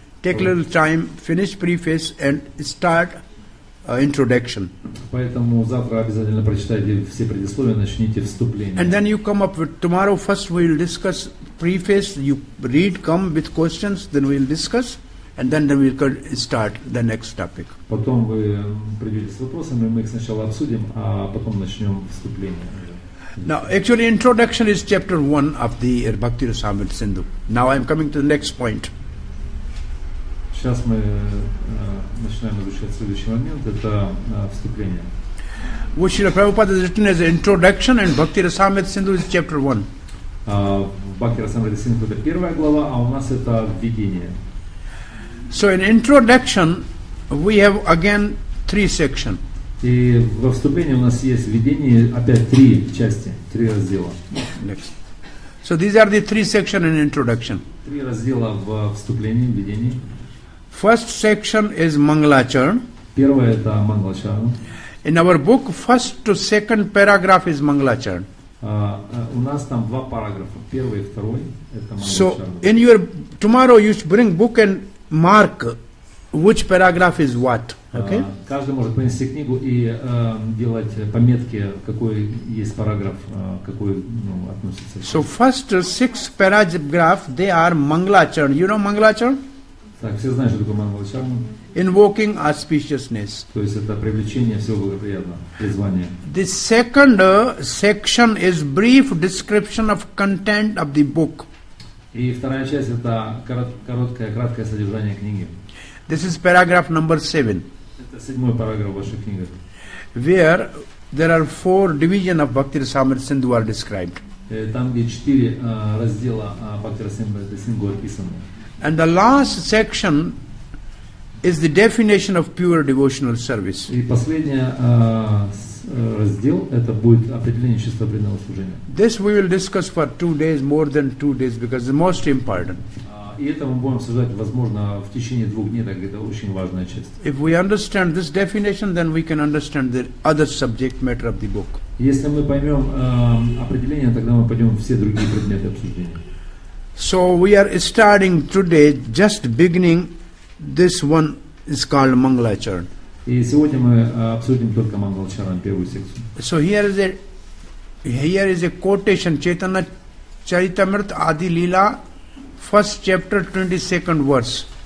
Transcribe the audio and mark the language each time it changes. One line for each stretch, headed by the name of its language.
English: Take a little time, finish preface and start introduction.
Russian: Поэтому завтра обязательно прочитайте все предисловия, начните вступление.
English: And then you come up with, tomorrow first we will discuss preface, you read, come with questions, then we will discuss. And then we could start the next topic.
Russian: Потом вы придете с вопросами, мы их сначала обсудим, а потом начнем вступление.
English: Now, actually, introduction is chapter 1 of the Bhakti Rasamrita Sindhu. Now I'm coming to the next point.
Russian: Сейчас мы начинаем изучать следующий момент, это вступление.
English: What Srila Prabhupada has written as introduction and Bhakti Rasamrita Sindhu is chapter 1.
Russian: Bhakti Rasamrita Sindhu это первая глава, а у нас это введение.
English: So in introduction, we have again three sections.
Russian: И во вступлении у нас есть введение опять три части, три раздела.
English: Next. So these are the three sections in introduction.
Russian: Три раздела в вступлении, введении.
English: First section is Mangalacharan.
Russian: Первое это Mangalacharan.
English: In our book, first to second paragraph is Mangalacharan.
Russian: У нас там два параграфа, первый и второй, это Mangalacharan.
English: So in your tomorrow, you should bring book and mark which paragraph is what. Okay?
Russian: Каждый может принести книгу и делать пометки, какой есть параграф, какой, ну, относится.
English: So first six paragraph they are Mangalacharan. You know Mangalacharan?
Russian: Так, все знают, что такое Mangalacharan?
English: Invoking auspiciousness.
Russian: То есть это привлечение всего благоприятного, призвание.
English: The second section is brief description of content of the book.
Russian: И вторая часть это короткое, краткое содержание книги.
English: This is paragraph number 7.
Russian: Это седьмой параграф вашей книги.
English: Where there are four division of Bhakti Rasamrita Sindhu are described.
Russian: Там где четыре раздела Bhakti Rasamrita Sindhu описаны.
English: And the last section is the definition of pure devotional service.
Russian: И последняя раздел это будет определение чисто преданного служения.
English: This we will discuss for 2 days, more than 2 days, because it's most important.
Russian: И это мы будем обсуждать, возможно, в течение 2 дней, так это очень важная часть.
English: If we understand this definition, then we can understand the other subject matter of the book.
Russian: Если мы поймем определение, тогда мы пойдем все другие предметы обсуждения.
English: So we are starting today, just beginning. This one is called Mangalacharan.
Russian: И сегодня мы обсудим только Мангалачаран, первую секцию.
English: So here is a quotation, Chaitanya Charitamrita Adi Lila, first chapter, 22nd verse.